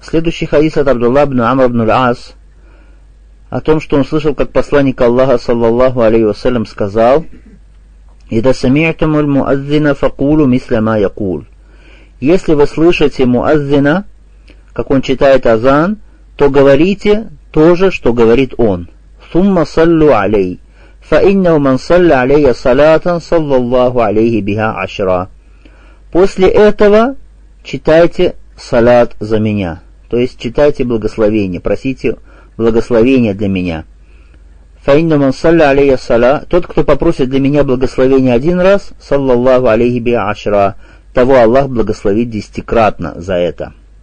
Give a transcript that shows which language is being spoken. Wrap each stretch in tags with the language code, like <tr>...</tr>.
<ru>Следующий хадис от Абдулла ибн Амр ибн Аль-Ас, о том, что он слышал, как посланник Аллаха, саллаллаху алейхи вассалям, сказал:</ru> <ar>إذا سمعتم المؤذن فقولوا مثل ما يقول.</ar> <ru>Если вы слышите муаззина, как он читает азан, то говорите то же, что говорит он.</ru> <ar>ثم صلوا علي. فإنه من صلى علي صلاة صلى الله عليه بها عشرة.</ar> <ru>После этого читайте салат за меня. То есть читайте благословение, просите благословения для меня.</ru> <ar>فَإِنَّ مَنْ صَلَّ عَلَيْهِ صَلَى.</ar> <ru>Тот, кто попросит для меня благословения один раз,</ru> <ar>صَلَّ اللَّهُ عَلَيْهِ بِعَشْرَى,</ar> <ru>того Аллах благословит десятикратно за это.</ru>